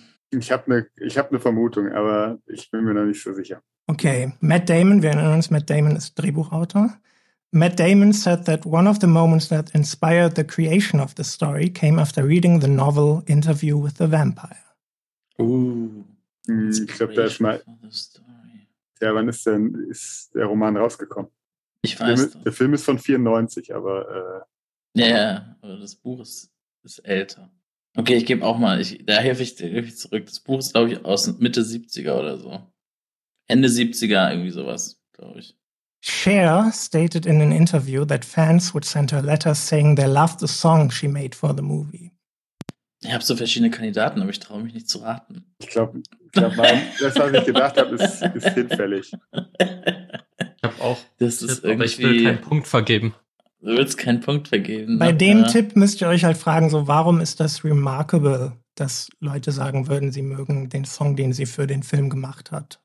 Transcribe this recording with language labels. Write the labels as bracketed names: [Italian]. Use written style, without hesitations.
[German] Ich hab ne Vermutung, aber ich bin mir noch nicht so sicher. Okay. Matt Damon, wir erinnern uns, Matt Damon ist Drehbuchautor. [English] Matt Damon said that one of the moments that inspired the creation of the story came after reading the novel Interview with the Vampire. [German] Ich glaube, das ist mal. Ja, wann ist denn ist der Roman rausgekommen? Ich weiß nicht. Der Film ist von 94, aber. Ja, aber das Buch ist älter. Okay, ich gebe auch mal, da helfe ich zurück. Das Buch ist, glaube ich, aus Mitte 70er oder so. Ende 70er, irgendwie sowas, glaube ich. [English] Cher stated in an interview that fans would send her letters saying they loved the song she made for the movie. [German] Ich habe so verschiedene Kandidaten, aber ich traue mich nicht zu raten. Ich glaube, das, was ich gedacht habe, ist hinfällig. Ich habe auch das Tipp, ist irgendwie, aber ich will keinen Punkt vergeben. Du willst keinen Punkt vergeben. Bei dem Tipp müsst ihr euch halt fragen, so warum ist das remarkable, dass Leute sagen würden, sie mögen den Song, den sie für den Film gemacht hat.